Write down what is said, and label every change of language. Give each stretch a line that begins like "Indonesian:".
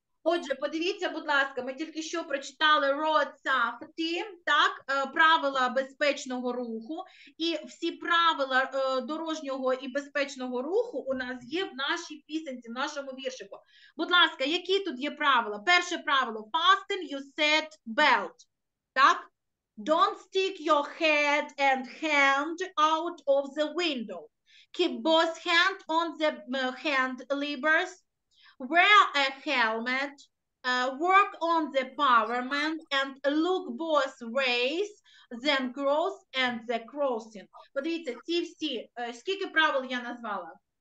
Ukrainian: Отже, подивіться, будь ласка, ми тільки що прочитали road safety, так, правила безпечного руху, і всі правила дорожнього і безпечного руху у нас є в нашій пісенці, в нашому віршику. Будь ласка, які тут є правила? Перше правило:
English: fasten your seat belt.
Ukrainian: Так?
English: Don't stick your head and hand out of the window. Keep both hands on the handlebars. Wear a helmet. Work on the power man and look both ways then cross and the crossing.
Ukrainian: Подивіться, ці всі, скільки правил я назвала?